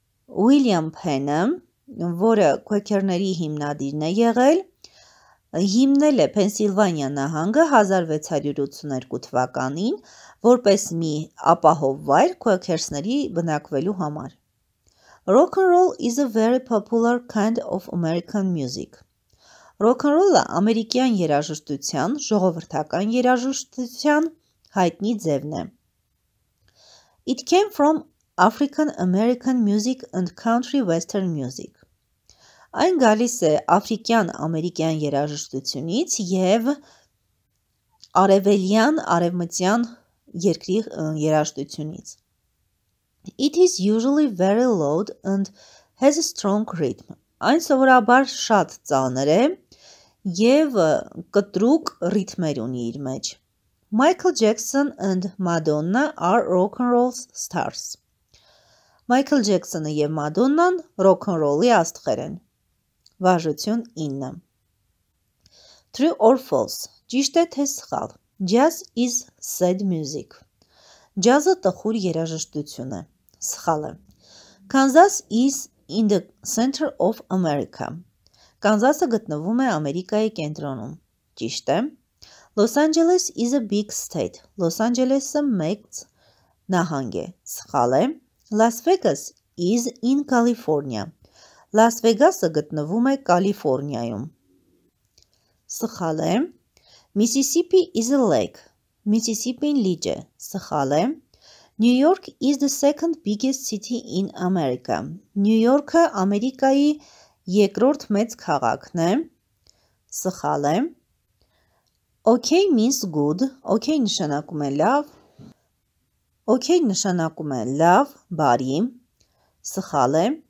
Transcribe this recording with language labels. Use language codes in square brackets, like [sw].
[hy] William Penn-ը, որը Quaker-ների հիմնադիրն է եղել, հիմնել է Pennsylvania նահանգը 1682 թվականին, որպես մի ապահով վայր Quakers-ների բնակվելու համար. [en] Rock and roll is a very popular kind of American music. [hy] Rock and roll-ը ամերիկյան երաժշտության, ժողովրդական երաժշտության հայտնի ձևն է. [en] It came from African American music and country western music. [hy] Այն գալիս է աֆրիկյան ամերիկյան երաժշտությունից և արևելյան արևմտյան երկրի երաժշտությունից. [en] It is usually very loud and has a strong rhythm. [hy] Այն սովորաբար շատ ծանր է և կտրուկ ռիթմեր ունի իր մեջ. [en] Michael Jackson and Madonna are rock and roll stars. [hy] Michael Jackson-ը և Madonna-ն rock and roll-ի աստղեր են. Վարժություն 9. [en] True or false? [hy] Ճիշտ է թե սխալ? [en] Jazz is sad music. [hy] Ջազը տխուր երաժշտություն է, սխալը։ [en] Kansas is in the center of America. [hy] Կանզասը գտնվում է Ամերիկայի կենտրոնում, ճիշտ է։ [en] Los Angeles is a big state. [hy] Los Angeles-ը մեծ նահանգ է, սխալը։ [en] Las Vegas is in California. [hy] Las Vegas-ը գտնվում է Կալիֆորնիայում, սխալը։ [en] Mississippi is a lake. [hy] Mississippi-ն լիճ է, սխալ է. [en] New York is the second biggest city in America. [hy] New York-ը Ամերիկայի երկրորդ մեծ քաղաքն է, սխալ է. [en] Okay means good. [hy] Okay նշանակում է լավ. Okay նշանակում է լավ, բարի, սխալ է.